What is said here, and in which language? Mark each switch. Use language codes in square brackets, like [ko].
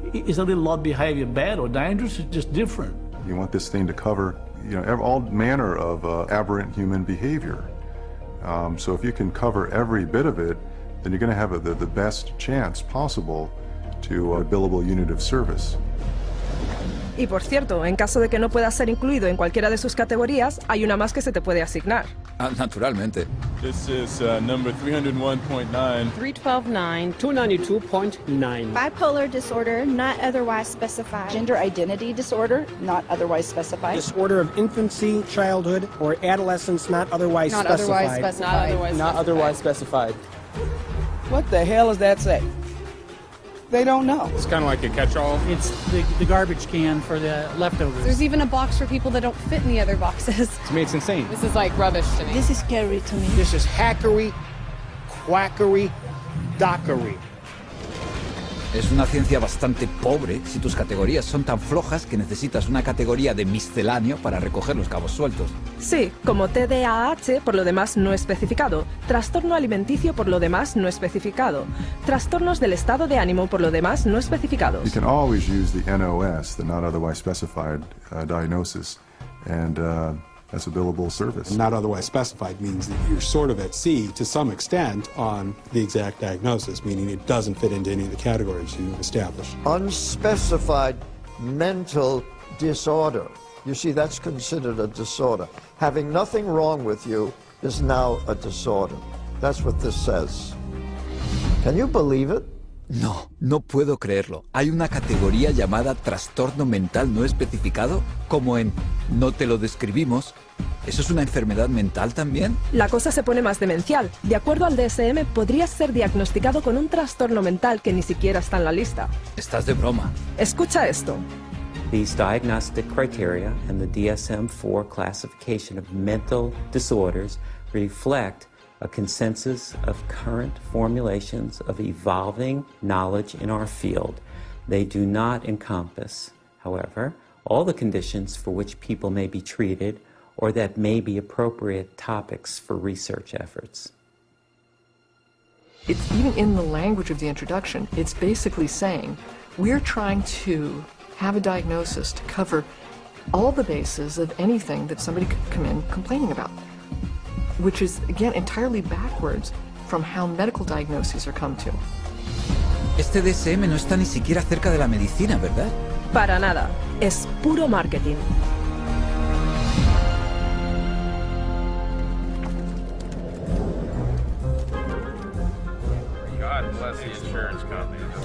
[en] Is a little odd behavior bad or dangerous? It's just different. You want this thing to cover, you know, all manner of aberrant human behavior. So if you can cover every bit of it, then you're going to have the best chance possible to a billable unit of service. [es] Y por cierto, en caso de que no puedas ser incluido en cualquiera de sus categorías, hay una más que se te puede asignar. Ah, naturalmente. [en] This is number 301.9. 312.9. 292.9. Bipolar disorder, not otherwise specified. Gender identity disorder, not otherwise specified. Disorder of infancy, childhood, or adolescence, not otherwise not specified. Otherwise specified. Not otherwise specified. Not otherwise specified. What the hell does that say? They don't know. It's kind of like a catch-all. It's the garbage can for the leftovers. There's even a box for people that don't fit in the other boxes. To me, it's insane. This is like rubbish to me. This is scary to me. This is hackery, quackery, dockery. [es] Es una ciencia bastante pobre si tus categorías son tan flojas que necesitas una categoría de misceláneo para recoger los cabos sueltos. Sí, como TDAH por lo demás no especificado, trastorno alimenticio por lo demás no especificado, trastornos del estado de ánimo por lo demás no especificados. [en] You can always use the NOS, the not otherwise specified diagnosis, and as a billable service. Not otherwise specified means that you're sort of at sea to some extent on the exact diagnosis, meaning it doesn't fit into any of the categories you established. Unspecified mental disorder. You see, that's considered a disorder. Having nothing wrong with you is now a disorder. That's what this says. Can you believe it? [es] No, no puedo creerlo. Hay una categoría llamada trastorno mental no especificado, como en no te lo describimos. ¿Eso es una enfermedad mental también? La cosa se pone más demencial. De acuerdo al DSM, podrías ser diagnosticado con un trastorno mental que ni siquiera está en la lista. Estás de broma. Escucha esto. [en] These diagnostic criteria and the DSM-4 classification of mental disorders reflect a consensus of current formulations of evolving knowledge in our field. They do not encompass, however, all the conditions for which people may be treated or that may be appropriate topics for research efforts. It's even in the language of the introduction, it's basically saying we're trying to have a diagnosis to cover all the bases of anything that somebody could come in complaining about. Which is, again, entirely backwards from how medical diagnoses are come to. [es] Este DSM no está ni siquiera cerca de la medicina, ¿verdad? Para nada. Es puro marketing. [en] God bless the insurance company.